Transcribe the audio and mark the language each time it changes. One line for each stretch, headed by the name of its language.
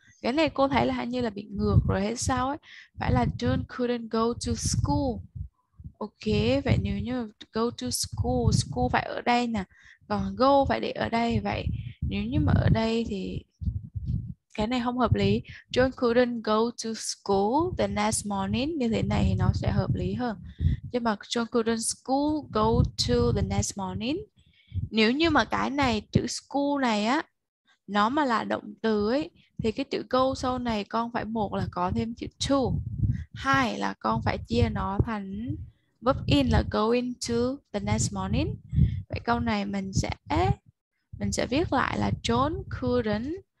Vietnamese: Cái này cô thấy là hình như là bị ngược rồi hay sao ấy. Phải là
English: John couldn't go to school.
Vietnamese: Ok, vậy nếu như
English: go to school,
Vietnamese: school phải ở đây nè. Còn go phải để ở đây. Vậy nếu như mà ở đây thì cái này không hợp lý.
English: John couldn't go to school the next morning.
Vietnamese: Như thế này thì nó sẽ hợp lý hơn. Nhưng mà
English: John couldn't school go to the next morning.
Vietnamese: Nếu như mà cái này, chữ school này á, nó mà là động từ ấy, thì cái chữ go sau này con phải một là có thêm chữ to, hai là con phải chia nó thành verb in là
English: going to the next morning.
Vietnamese: Vậy câu này mình sẽ viết lại là
English: John couldn't.